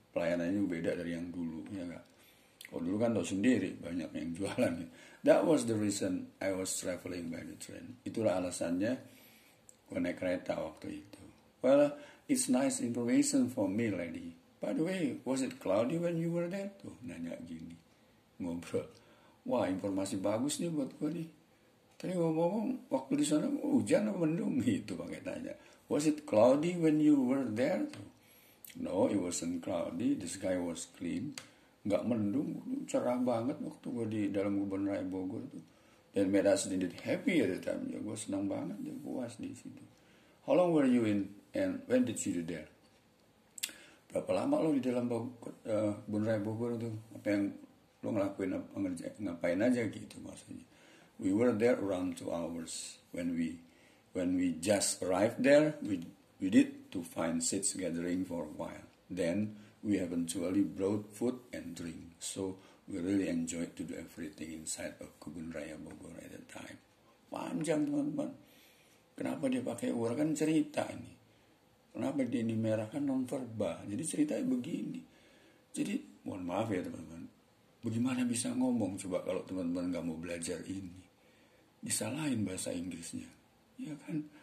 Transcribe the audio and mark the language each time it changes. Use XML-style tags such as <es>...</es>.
<id>Pelayanannya beda dari yang dulu, ya gak? Kalau dulu kan tau sendiri, banyak yang jualan gitu.</id> <en>That was the reason I was traveling by the train.</en> <id>Itulah alasannya gue naik kereta waktu itu.</id> <en>Well, it's nice information for me, lady. By the way, was it cloudy when you were there?</en> <id>Tuh, nanya gini, ngobrol. Wah, informasi bagus nih buat gue nih. Tadi ngomong-ngomong, waktu di sana hujan atau mendung? Gitu, pakai tanya.</id> <en>Was it cloudy when you were there? Tuh. No, it wasn't cloudy. The sky was clean.</en> <id>Nggak mendung, cerah banget waktu gue di dalam kebun raya Bogor tuh.</id> <en>Dan made us really happy at the time.</en> <id>Ya, gue senang banget, ya, puas di situ.</id> <en>How long were you in and when did you do there?</en> <id>Berapa lama lo di dalam kebun raya Bogor itu? Apa yang lo ngelakuin, ngapain aja gitu maksudnya.</id> <en>We were there around 2 hours. When we just arrived there, we did to find seats gathering for a while. Then we eventually brought food and drink. So we really enjoyed to do everything inside of kebun raya Bogor at the time.</en> <id>Panjang teman-teman. Kenapa dia pakai uraikan cerita ini? Kenapa dia ini merahkan nonverba? Jadi ceritanya begini. Jadi mohon maaf ya teman-teman. Bagaimana bisa ngomong coba kalau teman-teman nggak mau belajar ini? Disalahin bahasa Inggrisnya, ya kan?</id>